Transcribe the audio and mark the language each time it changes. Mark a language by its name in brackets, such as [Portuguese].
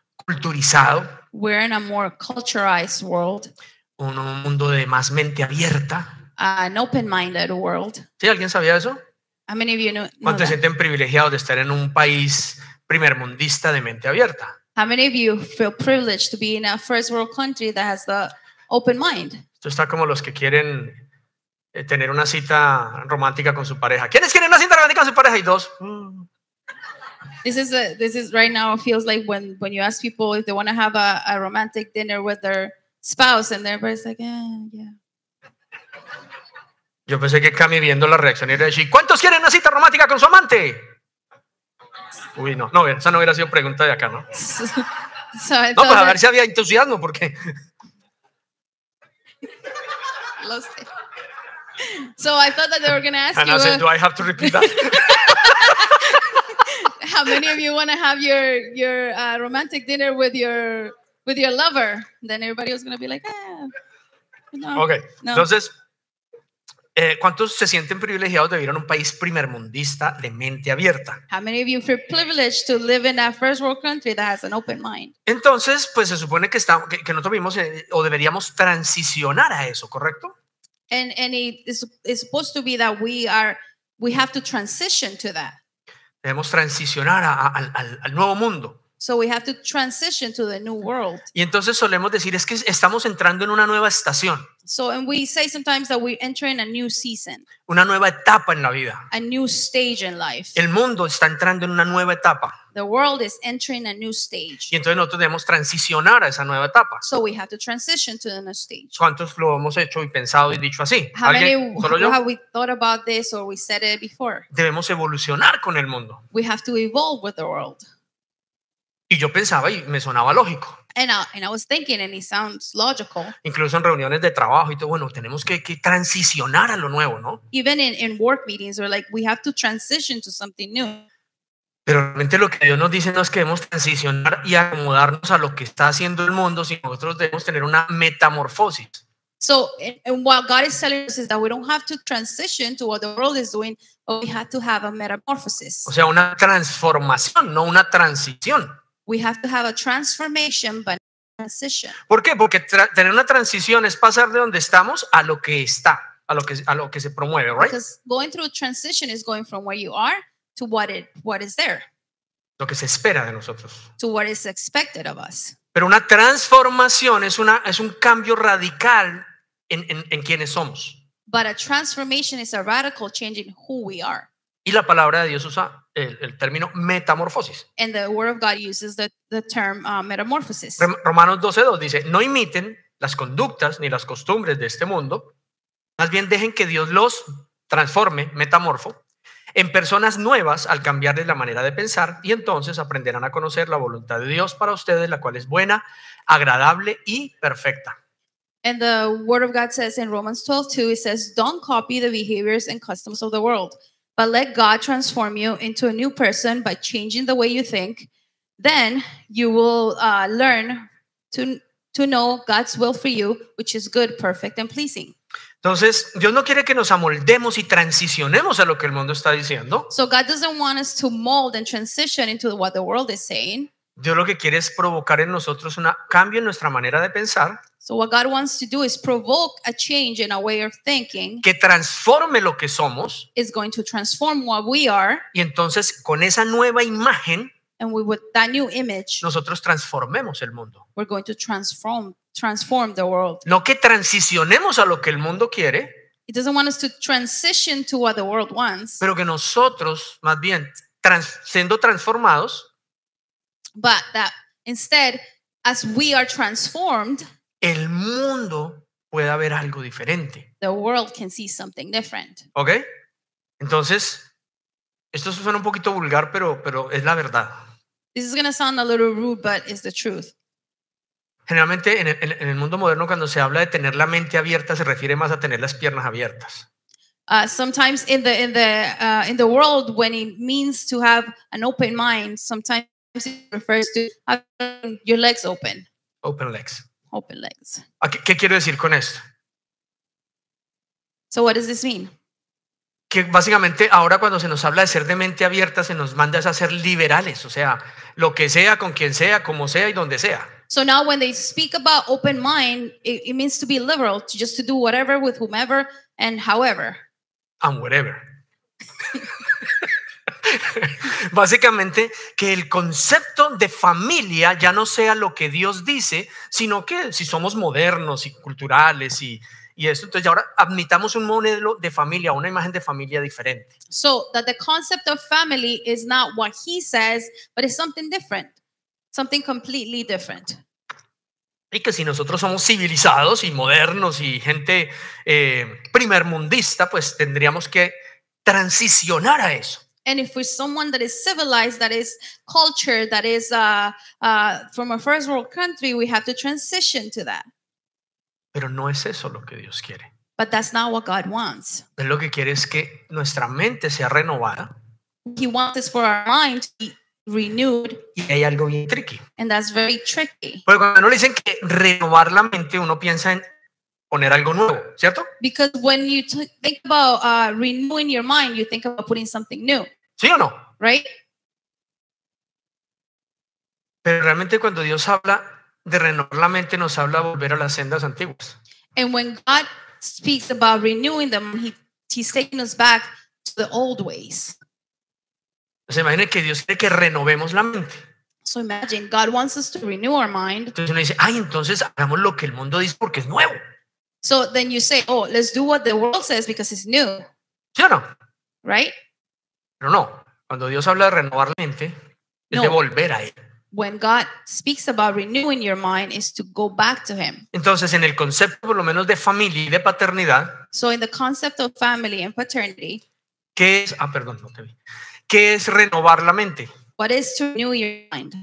[Spanish] Culturizado. [English] We're in a more culturalized world. [Spanish] Un mundo de más mente abierta. [English] An open-minded world. [Spanish] ¿Sí? ¿Alguien sabía eso? [English] How many of you know that? [Spanish] ¿Cuántos se sienten privilegiados de estar en un país primermundista de mente abierta? [English] How many of you feel privileged to be in a first world country that has the open mind? [Spanish] Esto está como los que quieren tener una cita romántica con su pareja. ¿Quiénes quieren una cita romántica con su pareja? Y dos. [English] This is right now feels like when you ask people if they want to have a romantic dinner with their spouse and everybody's like, yeah. [Spanish] Yo pensé que Cami viendo la reacción era así. ¿Cuántos quieren una cita romántica con su amante? Uy, no. No, esa no hubiera sido pregunta de acá, ¿no? [English] So [Spanish] no, para ver si había entusiasmo, porque. Lo sé. [English] So I thought that they were going to ask and you. And I said, do I have to repeat that? How many of you want to have your romantic dinner with your lover? Then everybody was going to be like, no. Okay. [Spanish] No. Entonces, ¿cuántos se sienten privilegiados de vivir en un país primermundista de mente abierta? [English] How many of you feel privileged to live in a first world country that has an open mind? [Spanish] Entonces, pues se supone que estamos que nosotros vivimos o deberíamos transicionar a eso, ¿correcto? [English] And it's supposed to be that we have to transition to that. [Spanish] Debemos transicionar al nuevo mundo. [English] So we have to transition to the new world. [Spanish] Y entonces solemos decir es que estamos entrando en una nueva estación. [English] So and we say sometimes that we're entering a new season. [Spanish] Una nueva etapa en la vida. [English] A new stage in life. [Spanish] El mundo está entrando en una nueva etapa. [English] The world is entering a new stage. [Spanish] Y entonces nosotros debemos transicionar a esa nueva etapa. [English] So we have to transition to the new stage. [Spanish] ¿Cuántos lo hemos hecho y pensado y dicho así? [English] How [Spanish] ¿Alguien? [English] Many, [Spanish] ¿Solo yo? [English] Have we thought about this or we said it before? [Spanish] Debemos evolucionar con el mundo. [English] We have to evolve with the world. [Spanish] Y yo pensaba y me sonaba lógico. [English] And I was thinking and it sounds logical. [Spanish] Incluso en reuniones de trabajo y todo, bueno, tenemos que transicionar a lo nuevo, ¿no? [English] Even in work meetings we're like we have to transition to something new. [Spanish] Pero realmente lo que Dios nos dice no es que debemos transicionar y acomodarnos a lo que está haciendo el mundo, sino nosotros debemos tener una metamorfosis. [English] So, and what God is telling us is that we don't have to transition to what the world is doing, but we have to have a metamorphosis. [Spanish] O sea, una transformación, no una transición. [English] We have to have a transformation, but not a transition. [Spanish] ¿Por qué? Porque tener una transición es pasar de donde estamos a lo que está, a lo que se promueve, [English] right? Because going through a transition is going from where you are to what is there. [Spanish] Lo que se espera de nosotros. [English] To what is expected of us. [Spanish] Pero una transformación es un cambio radical en quienes somos. [English] But a transformation is a radical change in who we are. [Spanish] Y la palabra de Dios usa el término metamorfosis. [English] And the word of God uses the term metamorphosis. [Spanish] Romanos 12:2 dice, no imiten las conductas ni las costumbres de este mundo, más bien dejen que Dios los transforme, metamorfo, en personas nuevas al cambiarles la manera de pensar y entonces aprenderán a conocer la voluntad de Dios para ustedes, la cual es buena, agradable y perfecta. [English] And the word of God says in Romans 12:2, it says, don't copy the behaviors and customs of the world. But let God transform you into a new person by changing the way you think. Then you will learn to know God's will for you, which is good, perfect, and pleasing. [Spanish] Entonces, Dios no quiere que nos amoldemos y transicionemos a lo que el mundo está diciendo. [English] So God doesn't want us to mold and transition into what the world is saying. [Spanish] Dios lo que quiere es provocar en nosotros un cambio en nuestra manera de pensar. [English] So what God wants to do is provoke a change in our way of thinking. [Spanish] Que transforme lo que somos. [English] Is going to transform what we are. [Spanish] Y entonces con esa nueva imagen. [English] And with that new image. [Spanish] Nosotros transformemos el mundo. [English] We're going to transform the world. [Spanish] No que transicionemos a lo que el mundo quiere. [English] It doesn't want us to transition to what the world wants. [Spanish] Pero que nosotros, más bien, siendo transformados. [English] But that instead, as we are transformed. [Spanish] El mundo puede ver algo diferente. [English] The world can see something different. Okay. [Spanish] Entonces, esto suena un poquito vulgar, pero es la verdad. [English] This is going to sound a little rude, but it's the truth. [Spanish] Generalmente, en el mundo moderno, cuando se habla de tener la mente abierta, se refiere más a tener las piernas abiertas. [English] Sometimes in the world, when it means to have an open mind, sometimes it refers to having your legs open. Open legs. Open legs. [Spanish] ¿Qué quiero decir con esto? [English] So what does this mean? [Spanish] Que básicamente ahora cuando se nos habla de ser de mente abierta se nos manda a ser liberales, o sea, lo que sea, con quien sea, como sea y donde sea. [English] So now when they speak about open mind, it means to be liberal, to just to do whatever with whomever and however. And whatever. [Spanish] Básicamente que el concepto de familia ya no sea lo que Dios dice, sino que si somos modernos y culturales y esto, entonces ahora admitamos un modelo de familia, una imagen de familia diferente. [English] So that the concept of family is not what he says, but it's something different, something completely different. [Spanish] Y que si nosotros somos civilizados y modernos y gente primermundista, pues tendríamos que transicionar a eso. [English] And if we're someone that is civilized, that is culture, that is from a first world country, we have to transition to that. [Spanish] Pero no es eso lo que Dios quiere. [English] But that's not what God wants. [Spanish] Él lo que quiere es que nuestra mente sea renovada. [English] He wants us for our mind to be renewed. [Spanish] Y hay algo bien tricky. [English] And that's very tricky. [Spanish] Porque cuando uno le dicen que renovar la mente, uno piensa en poner algo nuevo, ¿cierto? [English] Because when you think about renewing your mind, you think about putting something new. [Spanish] ¿Sí o no? [English] Right? [Spanish] Pero realmente cuando Dios habla de renovar la mente, nos habla de volver a las sendas antiguas. [English] And when God speaks about renewing them, he's taking us back to the old ways. [Spanish] Se imagina que Dios quiere que renovemos la mente. [English] So imagine, God wants us to renew our mind. [Spanish] Entonces uno dice, ay, entonces hagamos lo que el mundo dice porque es nuevo. [English] So then you say, oh, let's do what the world says because it's new. [Spanish] ¿Sí o no? [English] Right? [Spanish] Pero no, cuando Dios habla de renovar la mente, es no. De volver a él. [English] When God speaks about renewing your mind, is to go back to him. [Spanish] Entonces, en el concepto, por lo menos, de familia y de paternidad. [English] So in the concept of family and paternity. [Spanish] ¿Qué es? Ah, perdón, no te vi. ¿Qué es renovar la mente? [English] What is to renew your mind?